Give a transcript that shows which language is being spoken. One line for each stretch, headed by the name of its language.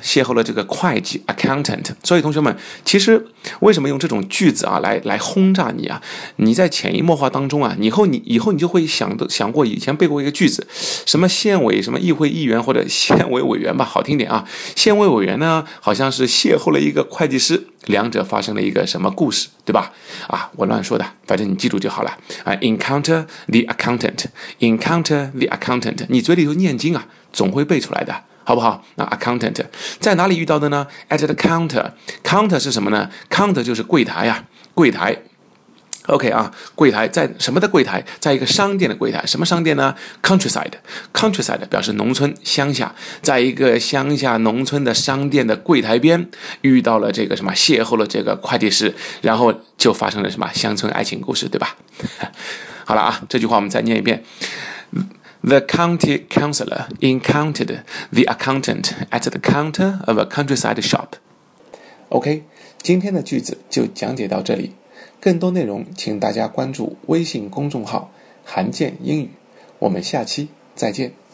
Chinese: 邂逅了这个会计 accountant。所以同学们，其实为什么用这种句子啊来轰炸你啊，你在潜移默化当中啊，以后你就会想过以前背过一个句子，什么县委什么议会议员或者县委委员吧，好听点啊，县委委员呢好像是邂逅了一个会计师，两者发生了一个什么故事，对吧？啊，我乱说的，反正你记住就好了。
English: Encounter the accountant, encounter the accountant,
Chinese: 你嘴里头念经啊，总会背出来的，好不好？那 accountant 在哪里遇到的呢？
English: At the counter, counter
Chinese: 是什么呢？ counter 就是柜台啊，柜台。OK 啊，柜台在什么的柜台？在一个商店的柜台。什么商店呢？countryside, countryside 表示农村乡下。在一个乡下农村的商店的柜台边遇到了这个什么，邂逅了这个会计师，然后就发生了什么乡村爱情故事，对吧？好了啊，这句话我们再念一遍。
English: The county councillor encountered the accountant at the counter of a countryside shop.
Chinese: OK, 今天的句子就讲解到这里。更多内容请大家关注微信公众号韩健英语。我们下期再见。